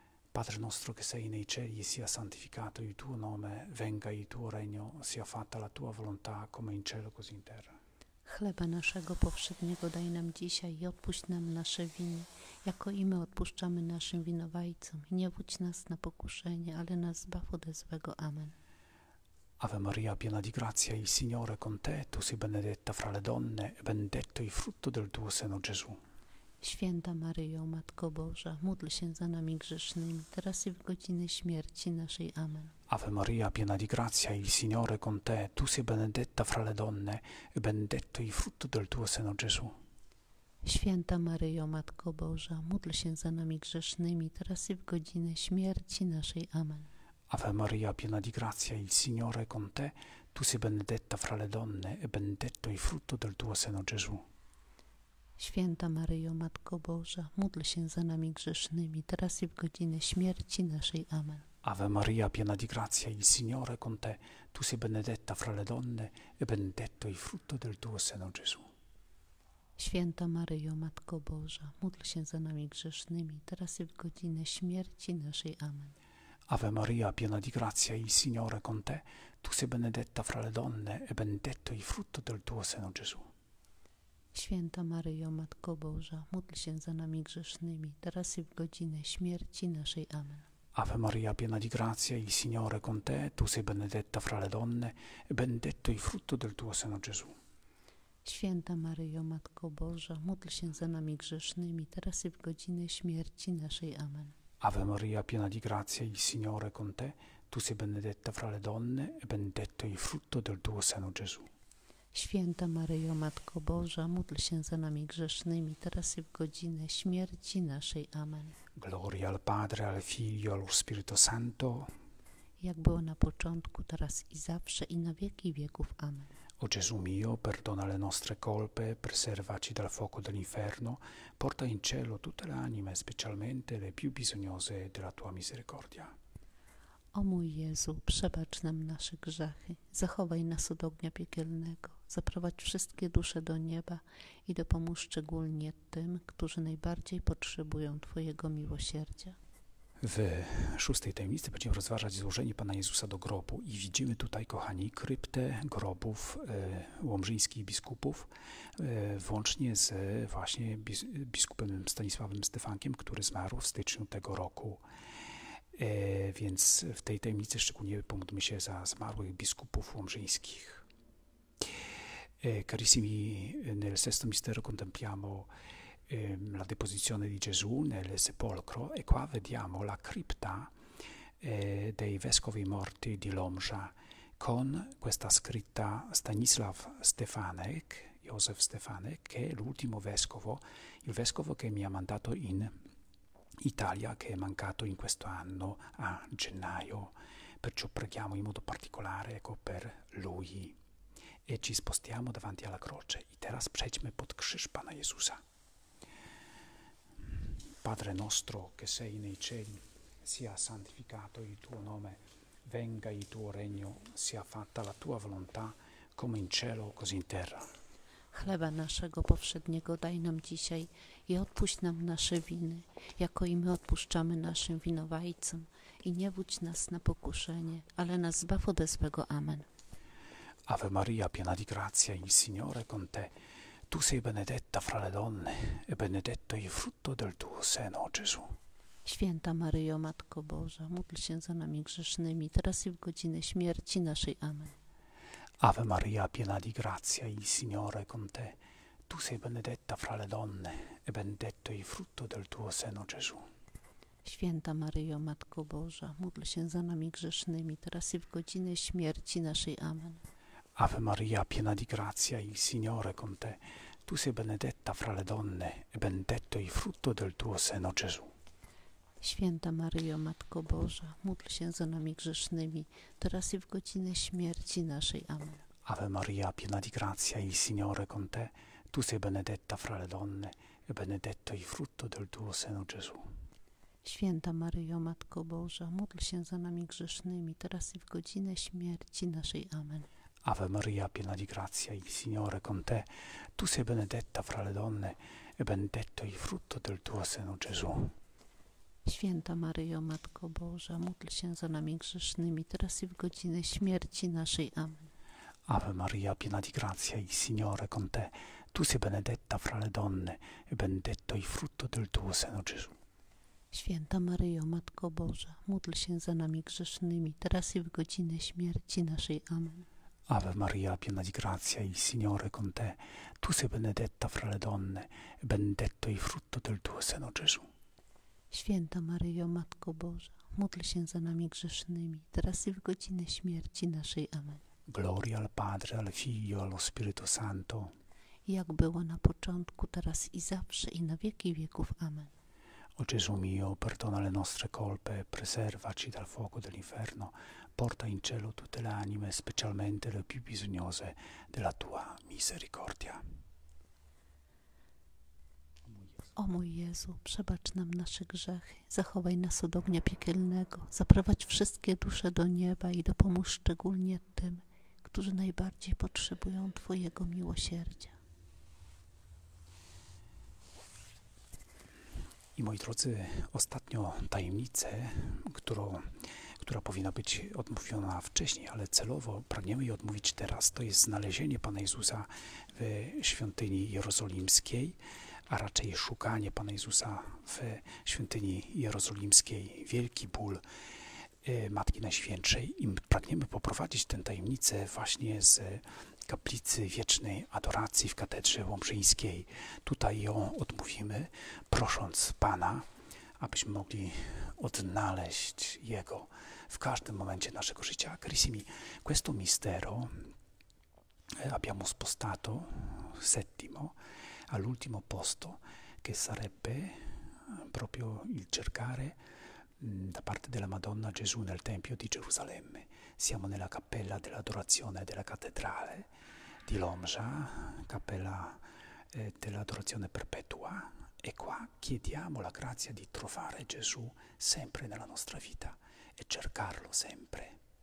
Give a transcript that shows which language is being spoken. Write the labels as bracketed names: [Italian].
[Italian] Padre nostro che sei nei cieli, sia santificato il tuo nome, venga il tuo regno, sia fatta la tua volontà, come in cielo, così in terra. [Polish] Chleba naszego powszedniego daj nam dzisiaj i odpuść nam nasze winy, jako i my odpuszczamy naszym winowajcom. Nie wódź nas na pokuszenie, ale nas zbaw ode złego. Amen. [Italian] Ave Maria, piena di grazia, il Signore è con te. Tu sei benedetta fra le donne e benedetto il frutto del tuo seno, Gesù. [Polish] Święta Maryjo, Matko Boża, módl się za nami grzesznymi, teraz i w godzinę śmierci naszej. Amen. [Italian] Ave Maria, piena di grazia, il Signore è con te. Tu sei benedetta fra le donne e benedetto il frutto del tuo seno, Gesù. [Polish] Święta Maryjo, Matko Boża, módl się za nami grzesznymi, teraz i w godzinę śmierci naszej. Amen. [Italian] Ave Maria, piena di grazia, il Signore è con te. Tu sei benedetta fra le donne e benedetto il frutto del tuo seno, Gesù. [Polish] Święta Maryjo, Matko Boża, módl się za nami grzesznymi, teraz i w godzinę śmierci naszej. Amen. [Italian] Ave Maria, piena di grazia, il Signore è con te. Tu sei benedetta fra le donne e benedetto il frutto del tuo seno, Gesù. [Polish] Święta Maryjo, Matko Boża, módl się za nami grzesznymi, teraz i w godzinę śmierci naszej. Amen. [Italian] Ave Maria, piena di grazia, il Signore è con te. Tu sei benedetta fra le donne e benedetto il frutto del tuo seno, Gesù. [Polish] Święta Maryjo, Matko Boża, módl się za nami grzesznymi, teraz i w godzinę śmierci naszej. Amen. [Italian] Ave Maria, piena di grazia, il Signore è con te. Tu sei benedetta fra le donne e benedetto il frutto del tuo seno, Gesù. [Polish] Święta Maryjo, Matko Boża, módl się za nami grzesznymi, teraz i w godzinę śmierci naszej. Amen. [Italian] Ave Maria, piena di grazia, il Signore è con te. Tu sei benedetta fra le donne e benedetto il frutto del tuo seno, Gesù. [Polish] Święta Maryjo, Matko Boża, módl się za nami grzesznymi, teraz i w godzinę śmierci naszej. Amen. [Italian] Gloria al Padre, al Figlio, allo Spirito Santo. [Polish] Jak było na początku, teraz i zawsze, i na wieki wieków. Amen. [Italian] O Gesù mio, perdona le nostre colpe, preservaci dal fuoco dell'inferno, porta in cielo tutte le anime, specialmente le più bisognose della tua misericordia. [Polish] O mój Jezu, przebacz nam nasze grzechy, zachowaj nas od ognia piekielnego, zaprowadź wszystkie dusze do nieba i dopomóż szczególnie tym, którzy najbardziej potrzebują Twojego miłosierdzia. W szóstej tajemnicy będziemy rozważać złożenie Pana Jezusa do grobu i widzimy tutaj, kochani, kryptę grobów łomżyńskich biskupów, włącznie z właśnie biskupem Stanisławem Stefankiem, który zmarł w styczniu tego roku. Więc w tej tajemnicy szczególnie pomódlmy się za zmarłych biskupów łomżyńskich. [Italian] Carissimi, nel sesto mistero contempliamo la deposizione di Gesù nel sepolcro e qua vediamo la cripta dei vescovi morti di Lomża con questa scritta Stanisław Stefanek, Józef Stefanek, che è l'ultimo vescovo, il vescovo che mi ha mandato in Italia, che è mancato in questo anno a gennaio, perciò preghiamo in modo particolare, ecco, per lui. E ci spostiamo davanti alla croce [Polish] i teraz przejdźmy pod krzyż Pana Jezusa. [Italian] Padre nostro, che sei nei cieli, sia santificato il tuo nome, venga il tuo regno, sia fatta la tua volontà, come in cielo, così in terra. [Polish] Chleba naszego powszedniego daj nam dzisiaj i odpuść nam nasze winy, jako i my odpuszczamy naszym winowajcom. I nie wódź nas na pokuszenie, ale nas zbaw ode złego. Amen. [Italian] Ave Maria, piena di grazia, il Signore è con te. Tu sei benedetta fra le donne e benedetto il frutto del tuo seno, Gesù. [Polish] Święta Maryjo, Matko Boża, módl się za nami grzesznymi, teraz i w godzinę śmierci naszej. Amen. [Italian] Ave Maria, piena di grazia, il Signore è con te. Tu sei benedetta fra le donne e benedetto il frutto del tuo seno, Gesù. [Polish] Święta Maryjo, Matko Boża, módl się za nami grzesznymi, teraz i w godzinę śmierci naszej. Amen. [Italian] Ave Maria, piena di grazia, il Signore è con te. Tu sei benedetta fra le donne e benedetto il frutto del tuo seno, Gesù. [Polish] Święta Maryjo, Matko Boża, módl się za nami grzesznymi, teraz i w godzinę śmierci naszej. Amen. [Italian] Ave Maria, piena di grazia, il Signore è con te. Tu sei benedetta fra le donne e benedetto il frutto del tuo seno, Gesù. [Polish] Święta Maryjo, Matko Boża, módl się za nami grzesznymi, teraz i w godzinę śmierci naszej. Amen. [Italian] Ave Maria, piena di grazia, il Signore è con te. Tu sei benedetta fra le donne e benedetto il frutto del tuo seno, Gesù. [Polish] Święta Maryjo, Matko Boża, módl się za nami grzesznymi, teraz i w godzinę śmierci naszej. Amen. [Italian] Ave Maria, piena di grazia, il Signore è con te. Tu sei benedetta fra le donne e benedetto il frutto del tuo seno, Gesù. [Polish] Święta Maryjo, Matko Boża, módl się za nami grzesznymi, teraz i w godzinę śmierci naszej. Amen. [Italian] Ave Maria, piena di grazia, il Signore è con te. Tu sei benedetta fra le donne e benedetto il frutto del tuo seno, Gesù. [Polish] Święta Maryjo, Matko Boża, módl się za nami grzesznymi, teraz i w godzinę śmierci naszej. Amen. [Italian] Gloria al Padre, al Figlio, allo Spirito Santo. [Polish] Jak było na początku, teraz i zawsze, i na wieki wieków. Amen. [Italian] O Gesù mio, perdona le nostre colpe, preservaci dal fuoco dell'inferno, porta in cielo tutte le anime, specialmente le più bisognose della tua misericordia. [Polish] O mój Jezu, przebacz nam nasze grzechy, zachowaj nas od ognia piekielnego, zaprowadź wszystkie dusze do nieba i dopomóż szczególnie tym, którzy najbardziej potrzebują Twojego miłosierdzia. I moi drodzy, ostatnią tajemnicę, która powinna być odmówiona wcześniej, ale celowo pragniemy jej odmówić teraz, to jest znalezienie Pana Jezusa w świątyni jerozolimskiej, a raczej szukanie Pana Jezusa w świątyni jerozolimskiej, wielki ból Matki Najświętszej. I pragniemy poprowadzić tę tajemnicę właśnie z kaplicy wiecznej adoracji w katedrze łomżyńskiej. Tutaj ją odmówimy, prosząc Pana, abyśmy mogli odnaleźć Jego w każdym momencie naszego życia. [Italian] Carissimi, questo mistero, abbiamo spostato, settimo, all'ultimo posto, che sarebbe proprio il cercare da parte della Madonna Gesù nel Tempio di Gerusalemme. Siamo nella cappella dell'adorazione della cattedrale di Lomża, cappella dell'adorazione perpetua, e qua chiediamo la grazia di trovare Gesù sempre nella nostra vita e cercarlo sempre.